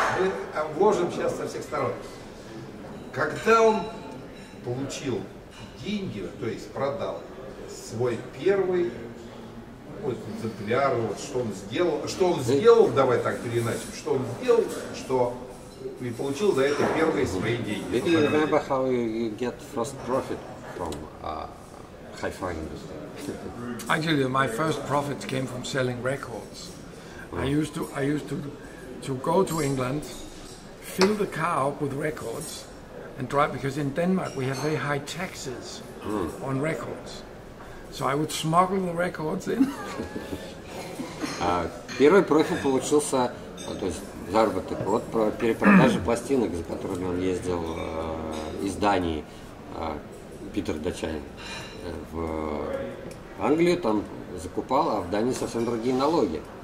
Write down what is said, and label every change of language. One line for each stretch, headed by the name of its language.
Russian: Мы обложим сейчас со всех сторон. Когда он получил деньги, то есть продал свой первый экземпляр, вот, что он сделал, давай так переначим, что он сделал, что и получил за это первые свои деньги.
English: Did you remember how you get first profit from hi-fi industry? Actually, my first profits came from selling records. Mm-hmm. I used to go to England, fill the car up with records, and drive, because in Denmark we have very high taxes on records. So I would smuggle the records in.
Russian: Первый профит получился, то есть заработок от перепродажи пластинок, за которыми он ездил из Дании, Питер Дачанин, в Англию там закупал, а в Дании совсем другие налоги.